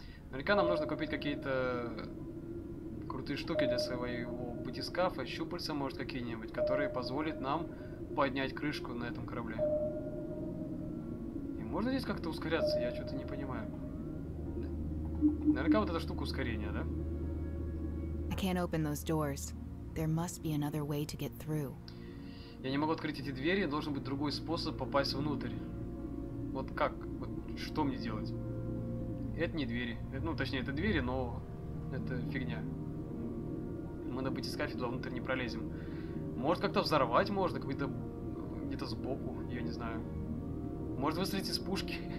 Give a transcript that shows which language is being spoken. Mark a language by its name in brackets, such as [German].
[Russian] Наверняка нам нужно купить какие-то крутые штуки для своего батискафа, щупальца, может, какие-нибудь, которые позволят нам поднять крышку на этом корабле. И можно здесь как-то ускоряться? Я что-то не понимаю. Наверняка вот эта штука ускорения, да? [English] I can't open those doors. There must be another way to get through. [Russian] Я не могу открыть эти двери, должен быть другой способ попасть внутрь. Вот как? Вот что мне делать? Это не двери. Ну, точнее, это двери, но это фигня. Мы на батискафе туда внутрь не пролезем. Может, как-то взорвать можно, какой-то где-то сбоку, я не знаю. Может, выстрелить из пушки.